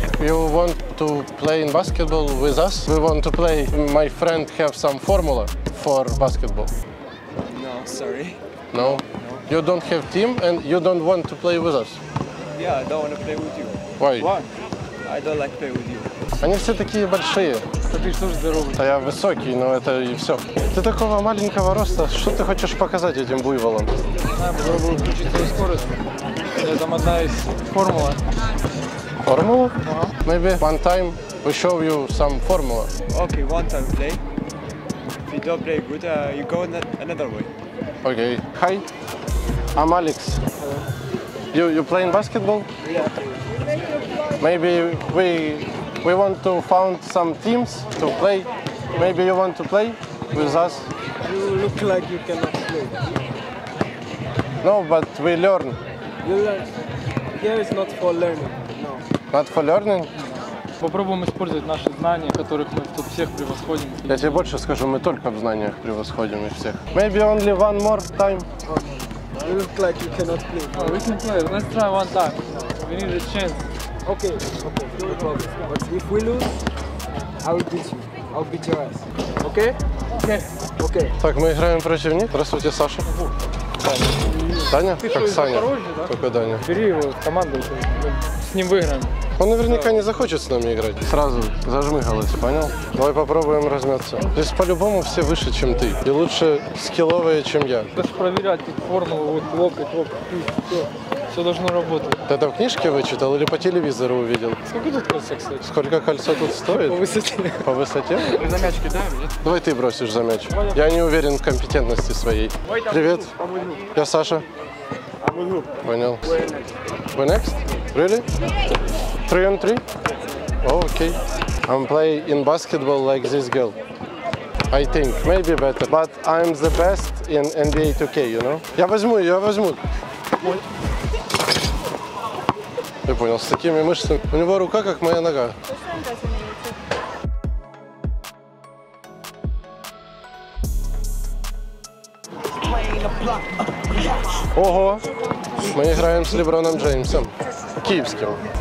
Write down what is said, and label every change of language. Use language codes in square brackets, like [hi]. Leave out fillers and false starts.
[en] You want to play in basketball with us? We want to play. My friend have some formula for basketball. No, sorry. No. No. You don't have team and you don't want to play with us. Yeah, I don't want to play with you. Why? Why? I don't like play with you. [ru] Они все такие большие. Да ты что ж здоровый? Да я высокий, но это и все. Ты такого маленького роста, что ты хочешь показать этим буйволам? Я не знаю, попробую включить твою скорость. Это одна из формул. Формула? Да. [en] Maybe one time we show you some formula. Okay, one time play. If you don't play good, you go another way. Okay. Hi, I'm Alex. Hello. You playing basketball? Yeah. Maybe We want to found some teams to play. Maybe you want to play with us? You look like you cannot play. No, but we learn. You learn. Here is not for learning, no. Not for learning? No. [ru] Попробуем использовать наши знания, которых мы тут всех превосходим. Я тебе больше скажу, мы только в знаниях превосходим их всех. [en] Maybe only one more time. Okay. You look like you cannot play. No, we can play. Let's try one time. We need a chance. Okay, no problem. But if we lose, I will beat you. I'll beat your ass. Okay? Okay. Okay. [ru] Так, мы играем против них. Здравствуйте, Саша. Саня. Саня? Ты как что, Саня? Дороже, да? Только Даня. Бери его в команду, с ним выиграем. Он наверняка не захочет с нами играть. Сразу зажмыгалось, понял? Давай попробуем размяться. Здесь по-любому все выше, чем ты. И лучше скилловые, чем я. Даже проверять тут формулу, вот локоть, локоть, все. Все должно работать. Ты это в книжке вычитал или по телевизору увидел? Сколько тут кольца, кстати? Сколько кольца тут стоит? По высоте. По высоте? Мы за мяч кидаем, нет? Давай ты бросишь за мяч. Я не уверен в компетентности своей. Привет. Я Саша. Понял. [en] We next? Really? 3-on-3? Oh, okay. I'm playing in basketball like this girl. I think. Maybe better. But I'm the best in NBA 2K, you know? [ru] Я возьму. Я понял, с такими мышцами. У него рука, как моя нога. Ого! Мы играем с Леброном Джеймсом. Киевским.